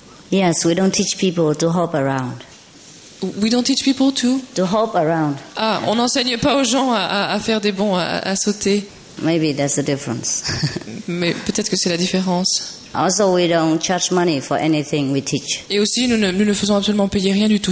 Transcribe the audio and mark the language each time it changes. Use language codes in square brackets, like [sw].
[en] Yes, we don't teach people to hop around. We don't teach people to? To hop around. [fr] Ah, on n'enseigne pas aux gens à faire des bonds, à sauter. [en] Maybe that's the difference. [fr] Mais peut-être que c'est la différence. [en] Also, we don't charge money for anything we teach. [fr] Et aussi, nous ne faisons absolument payer rien du tout.